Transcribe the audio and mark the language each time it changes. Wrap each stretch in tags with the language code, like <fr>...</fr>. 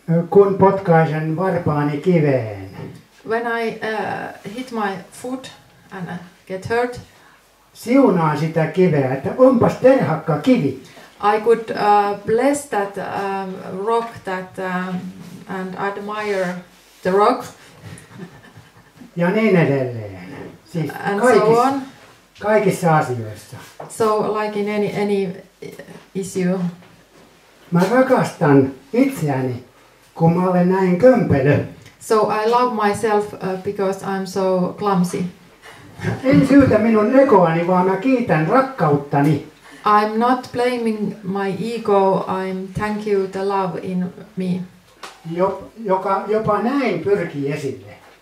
<fi>Kun potkaisen varpaani kiveen.</fi> <en>When I hit my foot and get hurt.</en> <fi>Siunaan sitä kiveä, että onpas terhakka kivi.</fi> <en>I could bless that rock that and admire the rock.</en> <fi>Ja niin edelleen. Siis</fi> <en>and</en> <fi>kaikissa,</fi> <en>so on.</en> <fi>Kaikissa asioissa.</fi> <en>So like in any issue.</en> <fi>Mä rakastan itseäni, kun mä olen näin kömpelö.</fi> <en>So I love myself because I'm so clumsy.</en> <fi>En syytä minun egoani, vaan mä kiitän rakkauttani.</fi> <en>I'm not blaming my ego, I'm thank you the love in me.</en> <fi>Joka jopa näin pyrkii esille.</fi>